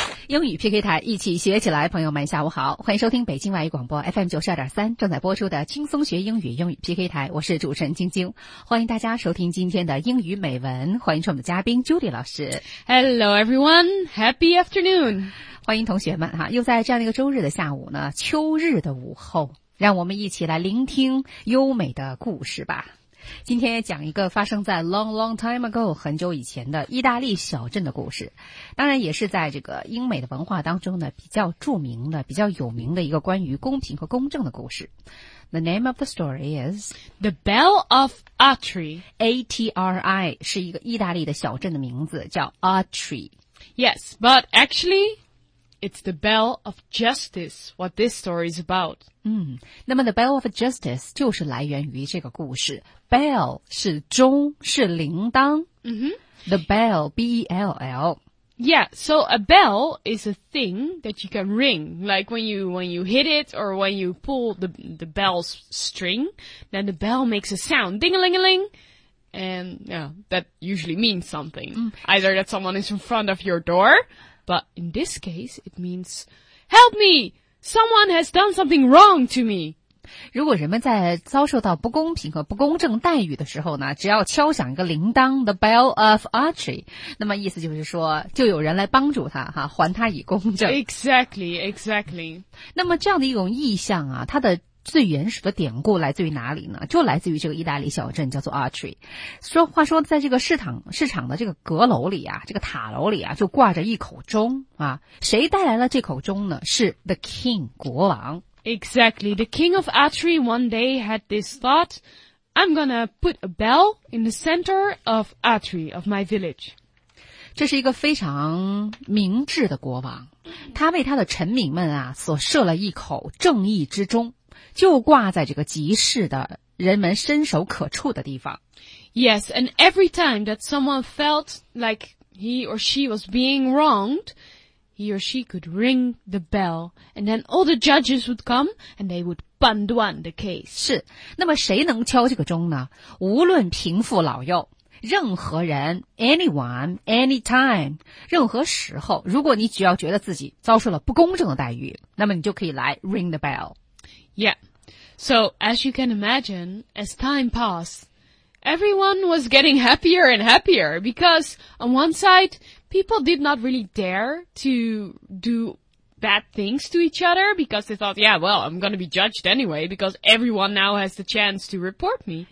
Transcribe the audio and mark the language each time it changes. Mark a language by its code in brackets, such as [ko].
[zh] 英语 PK 台，一起学起来。朋友们，下午好，欢迎收听北京外语广播 FM92.3 正在播出的轻松学英语英语 PK 台，我是主持人晶晶，欢迎大家收听今天的英语美文，欢迎出我们的嘉宾 Judy 老师。 [en] Hello everyone, happy afternoon. [zh] 欢迎同学们哈，又在这样的一个周日的下午呢，秋日的午后，让我们一起来聆听优美的故事吧。今天讲一个发生在 [en] long long time ago [zh] 很久以前的意大利小镇的故事，当然也是在这个英美的文化当中呢比较著名的、比较有名的一个关于公平和公正的故事。 [en] The name of the story is The Bell of Atri. [zh] Atri 是一个意大利的小镇的名字，叫 Atri. [en] Yes, but actually. It's the bell of justice, what this story is about. [zh] 那么 [en] the bell of justice [zh] 就是来源于这个故事。 Bell 是钟，是铃铛。 [en] The bell, B-E-L-L. Yeah, so a bell is a thing that you can ring, like when you hit it or when you pull the bell's string, then the bell makes a sound, ding-a-ling-a-ling. And yeah, that usually means something. Either that someone is in front of your door, but in this case, it means, help me! Someone has done something wrong to me! [zh] 如果人们在遭受到不公平和不公正待遇的时候呢，只要敲响一个铃铛 , [en] the bell of Atri, [zh] 那么意思就是说就有人来帮助他哈，还他以公正。 [en] Exactly, exactly. [zh] 那么这样的一种意象啊，它的最原始的典故来自于哪里呢？就来自于这个意大利小镇叫做 Atri。说话说在这个市场的这个阁楼里啊，这个塔楼里啊，就挂着一口钟啊。谁带来了这口钟呢？是 [en] the king, [zh] 国王。 [en] Exactly, the king of Atri one day had this thought, I'm gonna put a bell in the center of Atri, of my village. [zh] 这是一个非常明智的国王，他为他的臣民们啊所设了一口正义之钟，就挂在这个集市的人们伸手可触的地方。 [en] Yes, and every time that someone felt like he or she was being wronged, he or she could ring the bell, and then all the judges would come, and they would [zh] 判断 [en] the case. [zh] 是，那么谁能敲这个钟呢？无论贫富老幼，任何人 , [en] anyone, anytime, [zh] 任何时候，如果你只要觉得自己遭受了不公正的待遇，那么你就可以来 [en] ring the bell. Yeah, so as you can imagine, as time passed, everyone was getting happier and happier because on one side, people did not really dare to do bad things to each other because they thought, yeah, well, I'm going to be judged anyway because everyone now has the chance to report me.